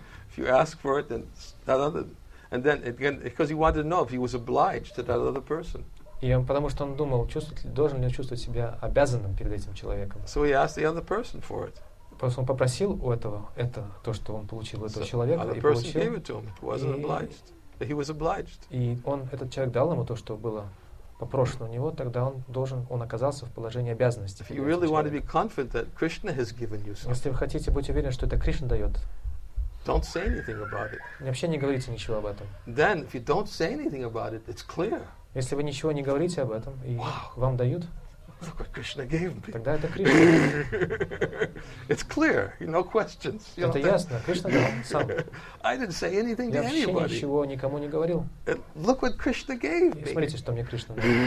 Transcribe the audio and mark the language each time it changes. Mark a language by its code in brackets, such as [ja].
[en] If you ask for it, then that other, and then again, because he wanted to know if he was obliged to that other person. [ru] Yeah, потому что он думал, должен ли он чувствовать себя обязанным перед этим человеком. [en] So he asked the other person for it. [ru] Просто он попросил у этого это то, что он получил у этого человека, и получил. [en] Gave it to him. He wasn't obliged. He was obliged. [ru] И он, этот человек дал ему то, что было попрошено у него, тогда он должен, он оказался в положении обязанности. [en] If you really want to be confident that Krishna has given you something, [ru] если вы хотите быть уверены, что это Кришна дает, [en] don't say anything about it. [ru] Вообще не говорите ничего об этом. [en] Then, if you don't say anything about it, it's clear. [ru] Если вы ничего не говорите об этом, и [en] wow, [ru] вам дают, [en] look what Krishna gave me. [ru] Тогда это Кришна. [en] It's clear, no questions. [ru] Это [en] know, [ru] ясно, Кришна дал сам. [en] I didn't say anything [ru] я [en] to anybody. [ru] Я вообще ничего никому не говорил. [en] And look what Krishna gave me. [ru] И смотрите, что мне Кришна дал.